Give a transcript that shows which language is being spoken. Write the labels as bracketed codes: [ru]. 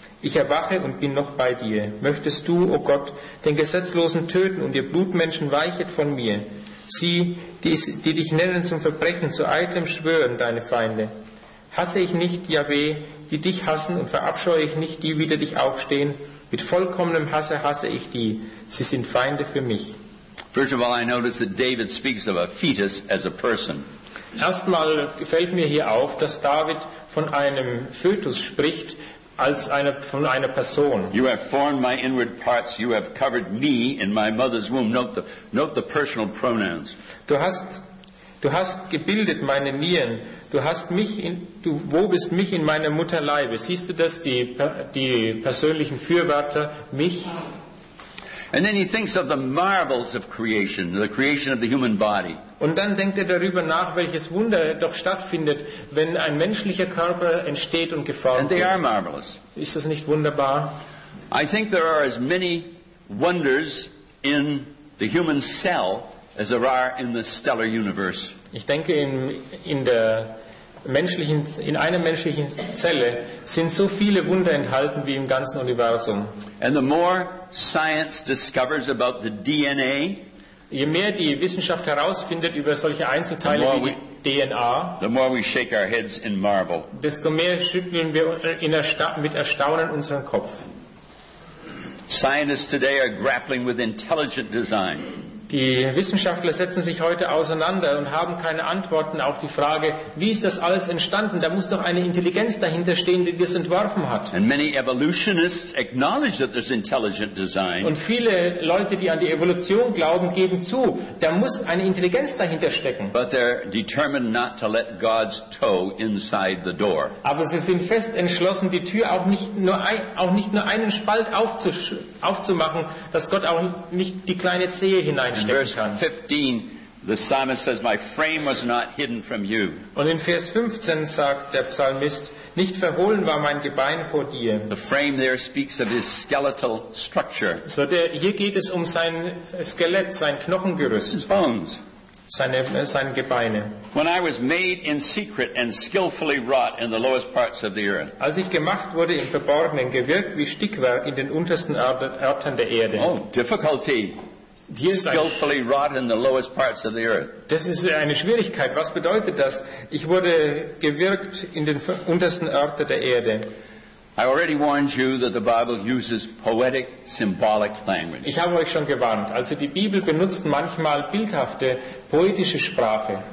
[de] Ich erwache und bin noch bei dir. Möchtest du, o Gott, den Gesetzlosen töten und ihr Blutmenschen weichet von mir? Sie, die dich nennen zum Verbrechen, zu eitlem schwören, deine Feinde. Hasse ich nicht, Yahweh, die dich hassen und verabscheue ich nicht, die wider dich aufstehen? Mit vollkommenem Hasse hasse ich die. Sie sind Feinde für mich. [en] First of all, I notice that David speaks of a fetus as a person. [de] Erstmal fällt mir hier auf, dass David von einem Fötus spricht, als von einer Person. [en] You have formed my inward parts. You have covered me in my mother's womb. Note the personal pronouns. [de] Du hast gebildet meine Nieren. Du wobest mich in meiner Mutter Leibe. Siehst du das? Die persönlichen Fürwörter, mich. [en] And then he thinks of the marvels of creation, the creation of the human body. [de] Und dann denkt er darüber nach, welches Wunder doch stattfindet, wenn ein menschlicher Körper entsteht und geformt wird. [en] And they are marvelous. [de] Ist das nicht wunderbar? [en] I think there are as many wonders in the human cell as there are in the stellar universe. [de] Ich denke, in einer menschlichen Zelle sind so viele Wunder enthalten wie im ganzen Universum. [en] And the more science discovers about the DNA, [de] je mehr die Wissenschaft herausfindet über solche Einzelteile wie die DNA, [en] the more we shake our heads in marvel. [de] Desto mehr schütteln wir mit Erstaunen unseren Kopf. [en] Scientists today are grappling with intelligent design. [de] Die Wissenschaftler setzen sich heute auseinander und haben keine Antworten auf die Frage, wie ist das alles entstanden? Da muss doch eine Intelligenz dahinter stehen, die das entworfen hat. [en] And many evolutionists acknowledge that there's intelligent design. [de] Und viele Leute, die an die Evolution glauben, geben zu, da muss eine Intelligenz dahinter stecken. [en] But they're determined not to let God's toe inside the door. [de] Aber sie sind fest entschlossen, die Tür auch nicht nur einen Spalt aufzumachen, dass Gott auch nicht die kleine Zehe hinein. [en] In verse 15, the psalmist says, "My frame was not hidden from you." [de] Und in Vers 15 sagt der Psalmist, nicht verhohlen war mein Gebein vor dir. [en] The frame there speaks of his skeletal structure. [de] So hier geht es um sein Skelett, sein Knochengerüst. [en] His bones. [de] Seine Gebeine. [en] When I was made in secret and skillfully wrought in the lowest parts of the earth. [de] Als ich gemacht wurde im Verborgenen, gewirkt wie Stickwerk in den untersten Orten der Erde. [en] Oh, difficulty. Skillfully wrought in the lowest parts of the earth. [de] Das ist eine Schwierigkeit. Was bedeutet das? Ich wurde gewirkt in den untersten Orten der Erde. [en] I already warned you that the Bible uses poetic, symbolic language. [de] Ich habe euch schon gewarnt. Also die Bibel benutzt manchmal bildhafte, poetische Sprache.